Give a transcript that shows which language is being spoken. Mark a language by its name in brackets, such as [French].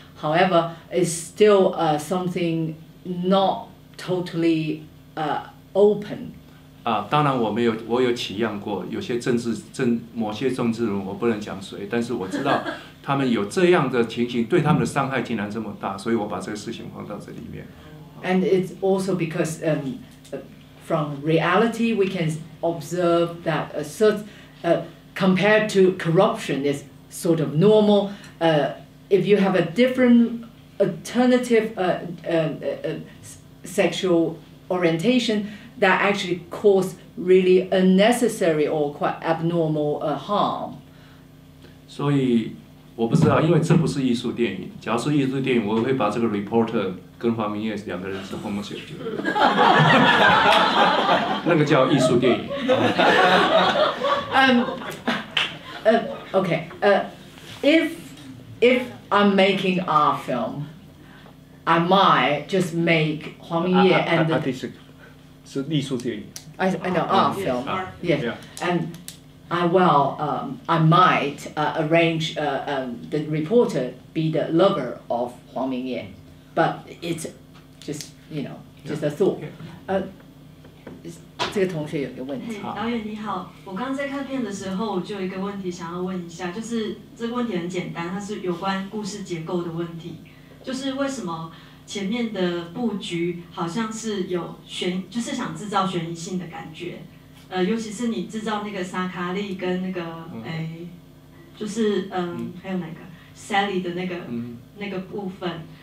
[English] However, it's still something not totally open. [Chinese] 当然我有起样过，有些某些政治人，我不能讲谁，但是我知道他们有这样的情形，对他们的伤害竟然这么大，所以我把这个事情放到这里面。 [English] And it's also because from reality we can observe that compared to corruption is sort of normal. If you have a different alternative sexual orientation, that actually cause really unnecessary or quite abnormal harm. [Chinese] 所以我不知道，因为这不是艺术电影。假如是艺术电影，我会把这个 reporter 跟黄明业两个人是 homosexual， 那个叫艺术电影。 [English] okay. If I'm making our film, I might just make Huang Yi and the. I think it's a film. Yes. And I might arrange the reporter be the lover of Huang Mingye, but it's just, you know, just a thought. [Chinese] 这个同学有个问题。 Hey, 导演你好，我刚在看片的时候，我就有一个问题想要问一下，就是这个问题很简单，它是有关故事结构的问题，就是为什么前面的布局好像是有悬，就是想制造悬疑性的感觉，尤其是你制造那个沙卡利跟那个还有哪个 Sally 的那个那个部分。